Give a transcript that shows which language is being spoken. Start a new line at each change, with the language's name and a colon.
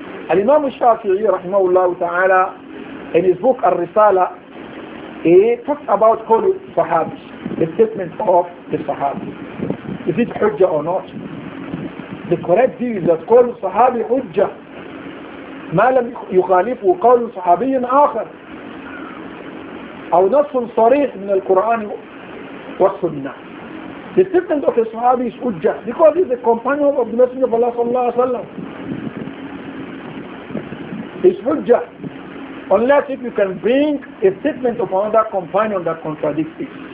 English: Al-Imam al-Shafi'i, rahimahullah ta'ala, in his book Al-Risala, he talks about calling Sahabis, the statement of the Sahabi. Is it Hujjah or not? The correct view is that call Sahabi Hujjah.
Arabic: ما لم يخالفه قول صحابي آخر أو نص صريح من القرآن والسنة.
English: The statement of the Sahabi is Hujjah because he is the companion of the Messenger of Allah
Arabic: صلى الله عليه وسلم.
English: It's Hujjah. Unless if you can bring a statement of another companion that contradicts it.